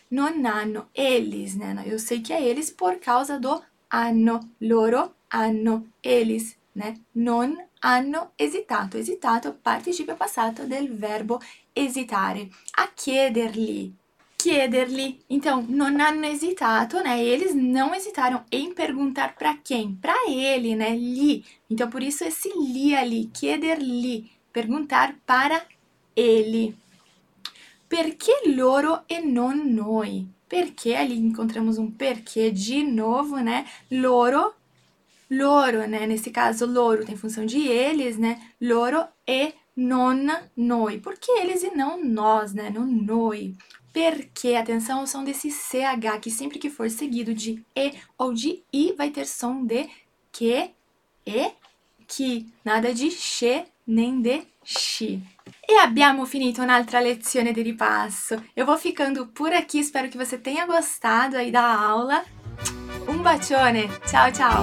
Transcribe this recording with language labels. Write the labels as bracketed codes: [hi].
[it] Non hanno, [pt] eles, né? Eu sei che è eles por causa do hanno, [it] loro hanno, [pt] eles, né? [it] Non hanno esitato, esitato, participio passato del verbo esitare. A chiedergli, chiederli. [pt] Então, [it] non hanno esitato, [pt] né? Eles não hesitaram em perguntar para quem? Para ele, né? Lhe. Então, por isso esse lhe ali, chiederli, perguntar para ele. [it] Perché loro e non noi? [pt] Perché ali encontramos um perché de novo, né? Loro, loro, né? Nesse caso, loro tem função de eles, né? [it] Loro e non noi. [pt] Por que eles e não nós, né? Non noi. Perché, atenção, o som desse CH, que sempre que for seguido de E ou de I, vai ter som de que e que. Nada de che nem de chi. [it] E abbiamo finito un'altra lezione di ripasso. [pt] Io vou ficando por aqui, [it] spero che [pt] você tenha gostado aí da aula. [it] Un bacione, ciao ciao!